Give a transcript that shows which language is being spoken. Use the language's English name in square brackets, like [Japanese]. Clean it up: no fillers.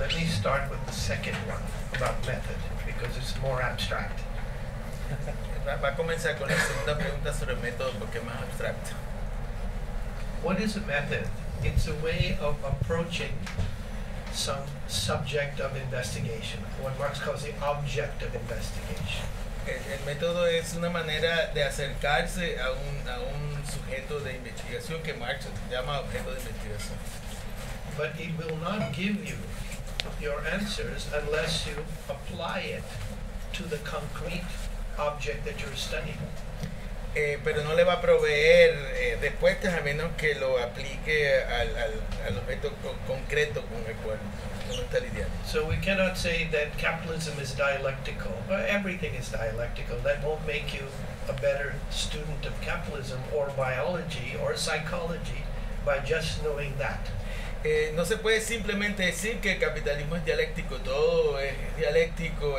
[English] Let me start with the second one about method, because it's more abstract. [Spanish] Va a comenzar con la segunda pregunta sobre método porque es más abstracto. [English] What is a method? It's a way of approaching some subject of investigation, what Marx calls the object of investigation. [Spanish] El método es una manera de acercarse a un sujeto de investigación que Marx llama objeto de investigación. [English] But it will not give you your answers unless you apply it to the concrete object that you're studying. [Spanish] Pero no le va a proveer respuestas a menos que lo aplique al objeto concreto con el cual uno está lidiando. [English] So we cannot say that capitalism is dialectical. Everything is dialectical. That won't make you a better student of capitalism or biology or psychology by just knowing that. [Spanish] No se puede simplemente decir que el capitalismo es dialéctico. Todo es dialéctico.